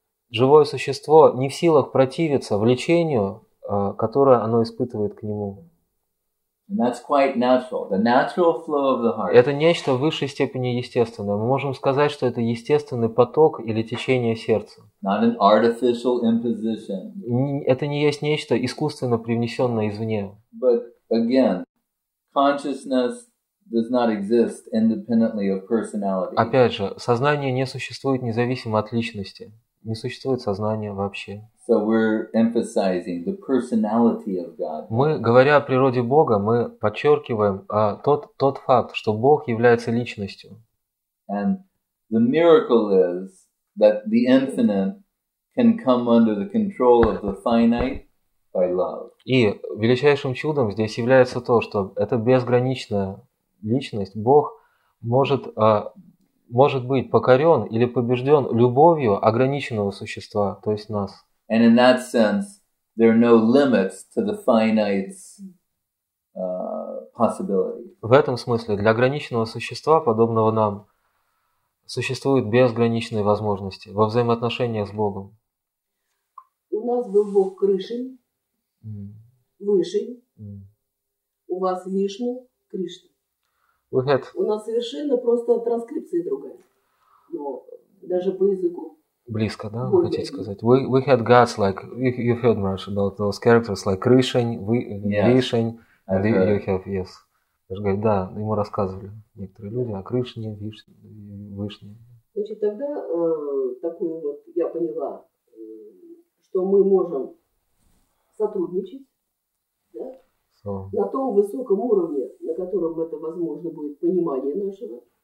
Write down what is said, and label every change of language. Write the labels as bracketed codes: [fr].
[ru] живое существо не в силах противиться влечению, которое оно испытывает к нему. Это нечто в высшей степени естественное. Мы можем сказать, что это естественный поток или течение сердца. [en] Not an artificial imposition. [ru] Это не есть нечто искусственно привнесенное извне. [en] But again, consciousness does not exist independently of personality. [ru] Опять же, сознание не существует независимо от личности. Не существует сознания вообще. [en] So we're emphasizing the personality of God. [ru] Мы, говоря о природе Бога, мы подчеркиваем тот факт, что Бог является личностью. [en] And the miracle is that the infinite can come under the control of the finite by love. [ru] И величайшим чудом здесь является то, что эта безграничная личность, Бог, может быть покорен или побежден любовью ограниченного существа, то есть нас. [en] And in that sense, there are no limits to the finite's possibility. [ru] В этом смысле для ограниченного существа, подобного нам, существуют безграничные возможности во взаимоотношениях с Богом. У нас был Бог Кришин, Вышин. У вас Вишну, Кришна. У нас совершенно просто транскрипция другая, но даже по языку. Близко, да, вы хотите сказать? [en] We had gods like, you heard much about those characters like Krishan, Vishan, and you have, yes. [ru] Я же говорю, да, ему рассказывали некоторые люди о Кришне, Вишне. Значит, тогда такую вот я поняла, что мы можем сотрудничать, да? На том высоком уровне, на котором это возможно будет понимание нашего.